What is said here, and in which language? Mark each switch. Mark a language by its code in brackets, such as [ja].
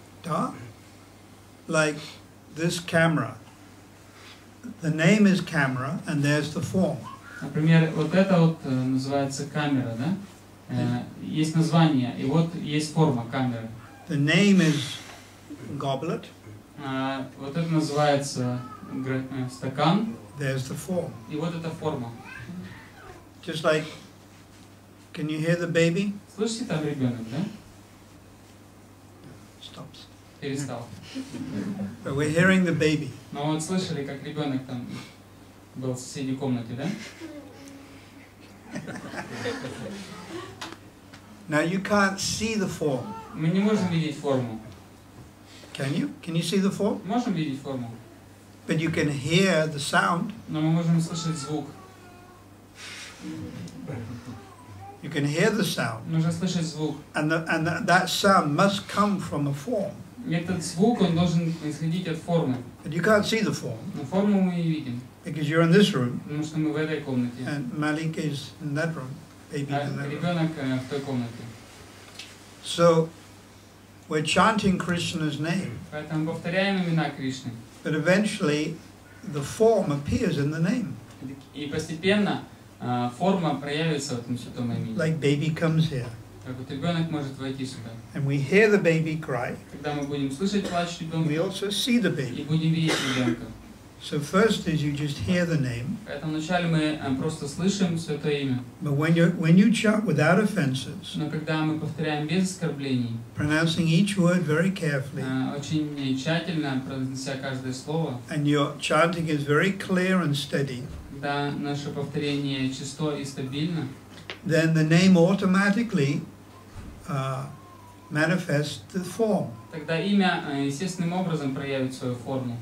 [en] Да. Like this camera. The name is camera, and there's the form. [ru] Например, вот это вот называется камера, да? Есть название, и вот есть форма камеры. [en] The name is goblet. [ru] Вот это называется стакан. [en] There's the form. [ru] И вот это форма. [en] Just like, can you hear the baby? [ru] Слышите там ребенок, да? [en] Stops. [ru] Перестал. [en] But we're hearing the baby. [ru] Но вот слышали, как ребенок там был в соседней комнате, да? [en] Now you can't see the form. [ru] Мы не можем видеть форму. [en] Can you? Can you see the form? [ru] Можем видеть форму. [en] But you can hear the sound. [ru] Но мы можем слышать звук. [en] You can hear the sound. [ru] Нужно слышать звук. [en] And that sound must come from a form. [ru] Этот звук он должен исходить от формы. [en] But you can't see the form. [ru] Но форму мы не видим. [en] Because you're in this room. [ru] Потому что мы в этой комнате. [en] And Malika is in that room. Baby in that room. [ru] Ребенок в той комнате. [en] So we're chanting Krishna's name. [ru] Поэтому повторяем имена Кришны. [en] But eventually the form appears in the name. [ru] И постепенно форма проявится в этом святом имени. [en] Like baby comes here. [ru] Так вот ребенок может войти сюда. [en] And we hear the baby cry. [ru] Когда мы будем слышать плач ребенка. [en] We also see the baby. [ru] И будем видеть ребенка. [en] So first is you just hear the name. [ru] Поэтому вначале мы просто слышим святое имя. [en] But when you chant without offenses. [ru] Но когда мы повторяем без оскорблений. [en] Pronouncing each word very carefully. [ru] Очень тщательно произнося каждое слово. [en] And your chanting is very clear and steady. [ru] Да, наше повторение чисто и стабильно. [en] Then the name automatically manifests the form. [ru] Тогда имя естественным образом проявит свою форму.